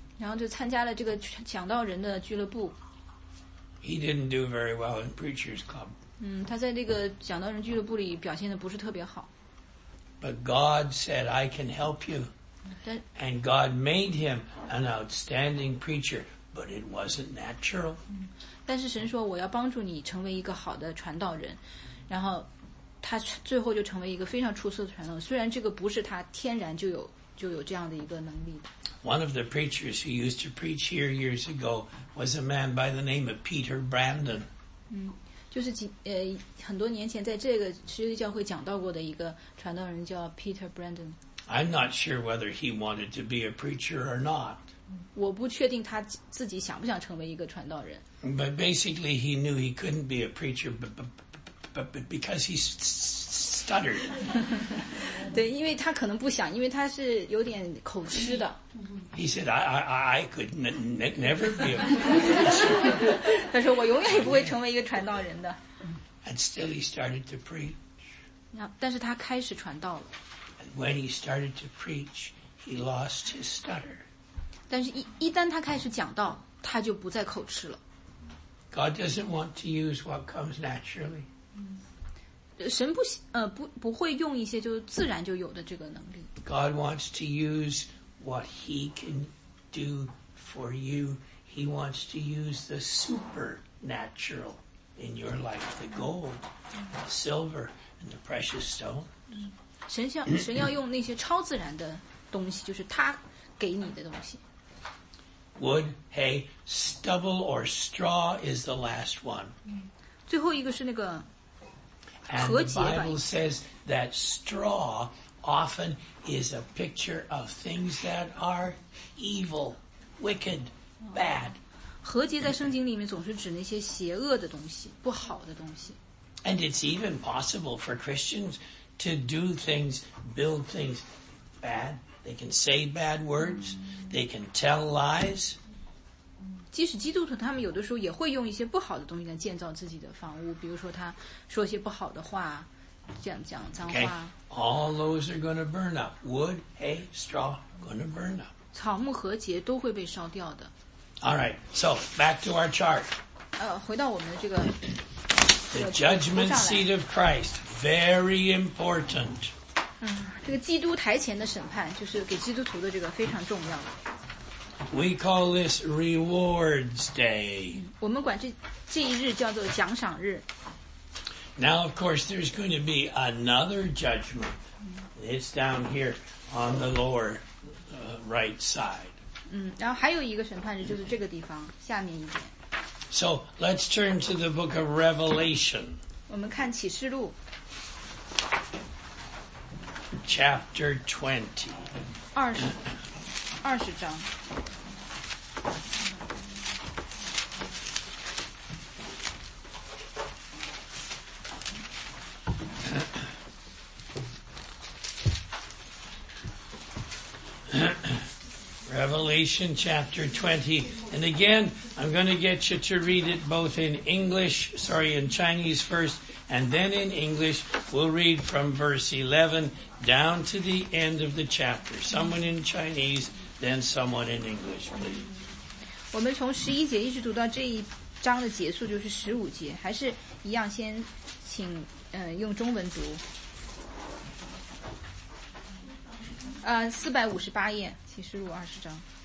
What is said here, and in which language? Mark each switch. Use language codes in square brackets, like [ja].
[zh] 然后就参加了这个讲道人的俱乐部。 [en] He didn't do very well in preachers club. [zh] 他在那个讲道人俱乐部里表现的不是特别好。 [en] But God said, I can help you. And God made him an outstanding preacher, but it wasn't natural. [zh] 但是神说我要帮助你成为一个好的传道人，然后他最后就成为一个非常出色的传道人，虽然这个不是他天然就有这样的一个能力。 [en] One of the preachers who used to preach here years ago was a man by the name of Peter Brandon. [zh] 就是很多年前在这个十字教会讲到过的一个传道人叫 Peter Brandon. [en] I'm not sure whether he wanted to be a preacher or not. [zh] 我不确定他自己想不想成为一个传道人。 [en] But basically he knew he couldn't be a preacher because he stuttered. [zh] 对，因为他可能不想，因为他是有点口吃的。 [en] He said, I could never be a preacher. [zh] 他说我永远也不会成为一个传道人的。 [en] And still he started to preach. [zh] 但是他开始传道了。 [en] And when he started to preach, he lost his stutter. [zh] 但是一旦他开始讲道，他就不再口吃了。 [en] God doesn't want to use what comes naturally. [zh] 神不会用一些就自然就有的这个能力。 [en] God wants to use what he can do for you. He wants to use the supernatural in your life, the gold, the silver, and the precious stone. [zh] 神要用那些超自然的东西，就是他给你的东西。 [en] Wood, hay, stubble, or straw is the last one. [zh] 最后一个是那个和解吧。 [en] And the Bible says that straw often is a picture of things that are evil, wicked, bad. [zh] 和解在圣经里面总是指那些邪恶的东西，不好的东西。 [en] And it's even possible for Christians to do things, build things bad. They can say bad words. They can tell lies. [zh] 即使基督徒他们有的时候也会用一些不好的东西来建造自己的房屋，比如说他说一些不好的话，讲脏话。 [en] Okay. All those are going to burn up. Wood, hay, straw, going to burn up. [zh] 草木和秸都会被烧掉的。 [en] All right. So back to our chart. [zh] 回到我们的这个。 [en] The judgment seat of Christ, very important. [zh] 这个基督台前的审判就是给基督徒的这个非常重要的。 [en] We call this Rewards Day. [zh] 我们管这一日叫做奖赏日。 [en] Now, of course, there's going to be another judgment. It's down here on the lower, right side. [zh] 然后还有一个审判日就是这个地方，下面一点。 [en] So, let's turn to the book of Revelation. 我们看启示录。 Chapter [zh] 20. 20章 [en] Revelation chapter 20. And again, I'm going to get you to read it both in Chinese first, and then in English. We'll read from verse 11. Down to the end of the chapter. Someone in Chinese, then someone in English, please. [zh] 我们从十一节一直读到这一章的结束，就是十五节，还是一样，先请用中文读。 458页，启示录二十章。